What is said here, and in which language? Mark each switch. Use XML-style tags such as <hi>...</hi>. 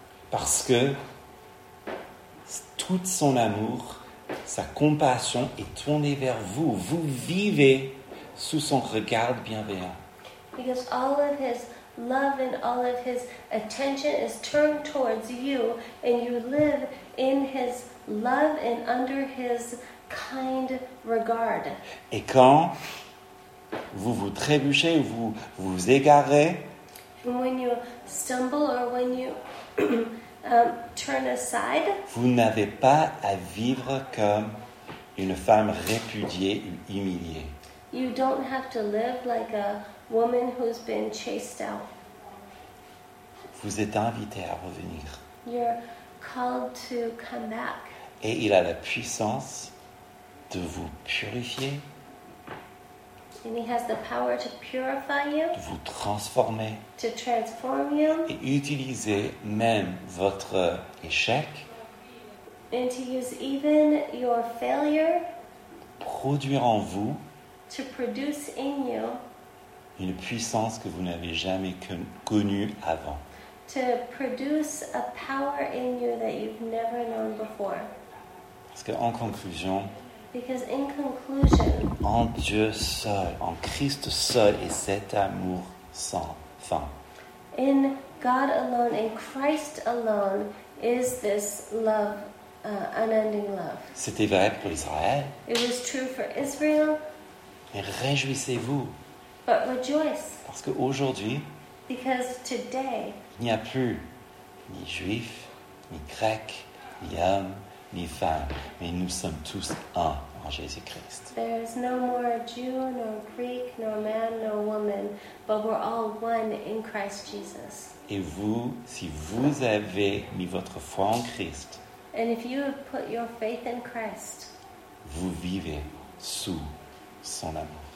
<fr>Parce que toute son amour, sa compassion est tournée vers vous. Vous vivez sous son regard bienveillant.</fr> <en>Because all of his love and all of his attention is turned towards you, and you live in his love and under his kind regard.</en> <fr>Et quand vous vous trébuchez, vous vous égarez.</fr> <en>And when you stumble or when you turn aside.</en> <fr>Vous n'avez pas à vivre comme une femme répudiée ou humiliée.</fr> <en>You don't have to live like a woman who's been chased out.</en> <fr>Vous êtes invité à revenir.</fr> <en>You're called to come back.</en> <fr>Et il a la puissance de vous purifier.</fr> <en>And he has the power to purify you,</en> <fr>de vous transformer.</fr> <en>To transform you,</en> <fr>et utiliser même votre échec.</fr> <en>And to use even your failure,</en> <fr>produire en vous</fr> <en>to produce in you,</en> <fr>une puissance que vous n'avez jamais connue avant.</fr> <en>To produce a power in you that you've never known before.</en> <fr>Parce que en conclusion,</fr> <en>because in conclusion,</en> <fr>en Dieu seul, en Christ seul, et cet amour sans fin.</fr> <en>In God alone, in Christ alone, is this love, unending love.</en> <fr>C'était vrai pour Israël.</fr> <en>It was true for Israel.</en> <fr>Et réjouissez-vous.</fr> <en>But rejoice.</en> <fr>Parce qu'aujourd'hui,</fr> <en>because today,</en> <fr>il n'y a plus ni juif, ni grec, ni homme, ni femme, mais nous sommes tous un en Jésus-Christ.</fr> <en>There is no more Jew, nor Greek, nor man, nor woman, but we're all one in Christ Jesus.</en> <fr>Et vous, si vous avez mis votre foi en Christ,</fr> <en>and if you have put your faith in Christ,</en> <fr>vous vivez sous son amour.</fr>